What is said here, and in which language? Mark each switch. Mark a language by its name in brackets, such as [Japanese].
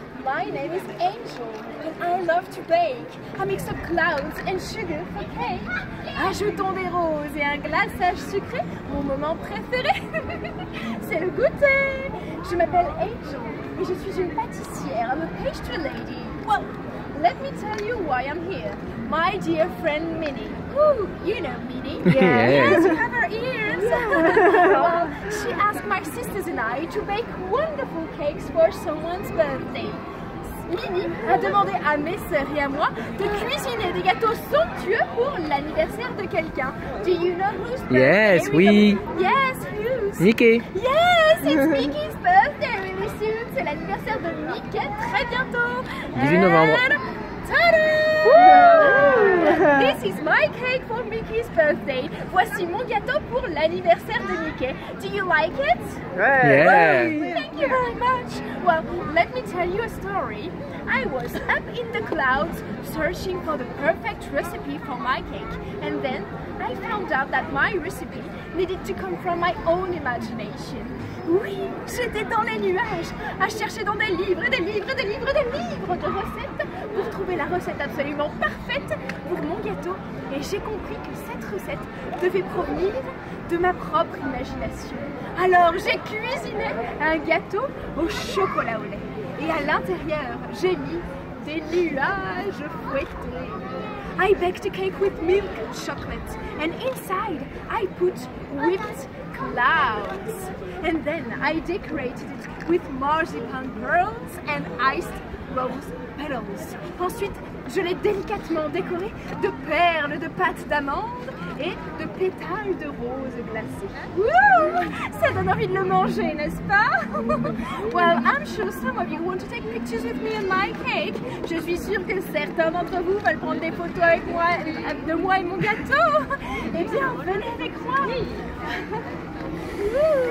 [English] My name is Angel, and I love to bake. I mix up clouds and sugar for cake. [French] Ajoutons des roses et un glaçage sucré, mon moment préféré. C'est le goûter. Je m'appelle Angel, et je suis une pâtissière. [English] I'm a pastry lady. Well, let me tell you why I'm here. My dear friend Minnie. Ooh, you know Minnie. Yeah. Yes, you have her ears. Yeah. Well, she asked my sisters and I to bake wonderful cakes for someone's birthday. [French] Minnie a demandé à mes sœurs et à moi de cuisiner des gâteaux somptueux pour l'anniversaire de quelqu'un. [English] Do you know who's birthday? Yes, we. [French] Oui. [English] Yes, who's? Mickey. Yes, it's Mickey's birthday really soon. [French] C'est l'anniversaire de Mickey très bientôt. 18 novembre. [English] Ta-da! This is my cake for Mickey's birthday. [French] Voici mon gâteau pour l'anniversaire de Mickey. [English] Do you like it? Yeah. Thank you very much. Well, let me tell you a story. I was up in the clouds searching for the perfect recipe for my cake. And then I found out that my recipe needed to come from my own imagination. [French] Oui, j'étais dans les nuages à chercher dans des livres et des livres et des livres et des livres de recettes pour trouver la recette absolument parfaite pour mon gâteau. Et j'ai compris que cette recette devait provenir de ma propre imagination. Alors j'ai cuisiné un gâteau au chocolat au lait. Et à l'intérieur, j'ai mis des nuages fouettés. [English] I baked a cake with milk and chocolate. And inside, I put whipped clouds. And then I decorated it with marzipan pearls and iced rose petals. [French] Ensuite, je l'ai délicatement décoré de perles de pâte d'amande et de pétales de rose glacée. Woo! Ça donne envie de le manger, n'est-ce pas? [English] Well, I'm sure some of you want to take pictures with me and my cake. [French] Je suis sûre que certains d'entre vous veulent prendre des photos avec moi, de moi et mon gâteau. Eh bien, venez avec moi. Woo!